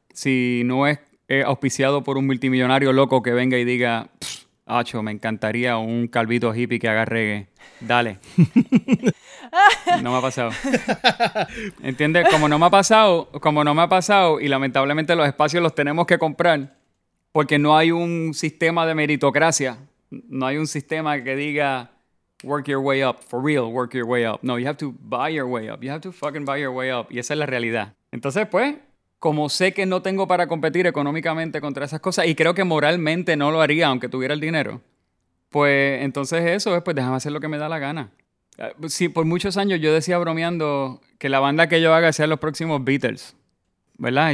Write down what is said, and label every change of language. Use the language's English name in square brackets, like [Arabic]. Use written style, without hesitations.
[Spanish] Si no es auspiciado por un multimillonario loco que venga y diga, ¡acho, me encantaría un calvito hippie que haga reggae! ¡Dale! No me ha pasado. ¿Entiendes? Como no me ha pasado, y lamentablemente los espacios los tenemos que comprar, porque no hay un sistema de meritocracia. No hay un sistema que diga, [English] work your way up, for real, work your way up. No, you have to buy your way up. You have to fucking buy your way up. [Spanish] Y esa es la realidad. Entonces, pues, como sé que no tengo para competir económicamente contra esas cosas, y creo que moralmente no lo haría, aunque tuviera el dinero, pues, entonces eso es, pues, déjame hacer lo que me da la gana. Sí, por muchos años yo decía bromeando que la banda que yo haga sea los próximos Beatles, ¿verdad?